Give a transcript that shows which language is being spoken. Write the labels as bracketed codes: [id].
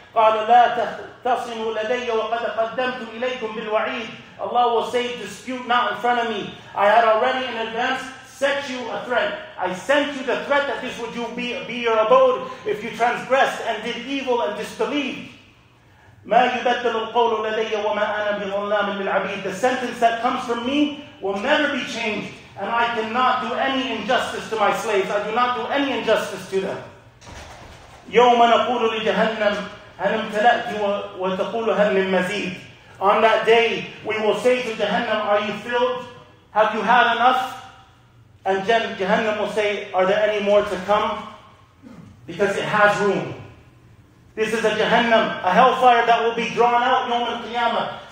[ar] قال لا تصنوا لدي وقد قدمت إليكم بالوعيد. [en] Allah will say, dispute not in front of me. I had already in advance set you a threat. I sent you the threat that this would be your abode if you transgressed and did evil and disbelieved. [ar] ما يبدل القول لدي وما أنا بظلام للعبيد. [en] The sentence that comes from me will never be changed. And I cannot do any injustice to my slaves. I do not do any injustice to them. [ar] يوم نقول لجهنم هل امتلأت وتقول هل من مزيد. [en] On that day, we will say to Jahannam, are you filled? Have you had enough? And Jahannam will say, are there any more to come? Because it has room. This is a Jahannam, a hellfire that will be drawn out yawm al-qiyamah.